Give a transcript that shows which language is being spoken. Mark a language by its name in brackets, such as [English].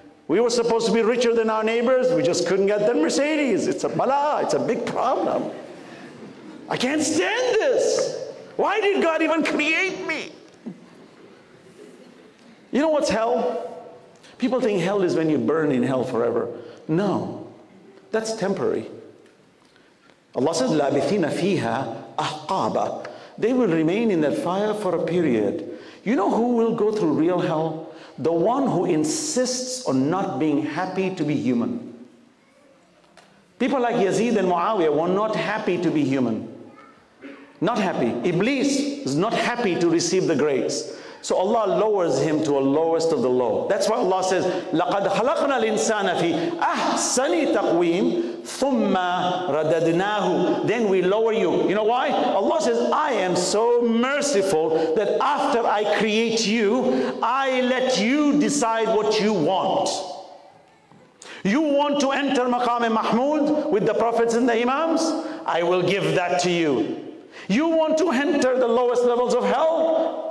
[English] We were supposed to be richer than our neighbors. We just couldn't get the Mercedes. It's a bala. It's a big problem. I can't stand this. Why did God even create me? You know what's hell? People think hell is when you burn in hell forever. No, that's temporary. Allah says, [Arabic] لَابِثِينَ فِيهَا أَحْقَابًا. [English] They will remain in that fire for a period. You know who will go through real hell? The one who insists on not being happy to be human. People like Yazid and Muawiyah were not happy to be human. Not happy. Iblis is not happy to receive the grace. So Allah lowers him to a lowest of the low. That's why Allah says, [Arabic] لَقَدْ خَلَقْنَا الْإِنسَانَ فِي أَحْسَنِ تَقْوِيمٍ ثُمَّ رَدَدْنَاهُ. [English] Then we lower you. You know why? Allah says, I am so merciful that after I create you, I let you decide what you want. You want to enter Maqam-e Mahmood with the prophets and the imams? I will give that to you. You want to enter the lowest levels of hell?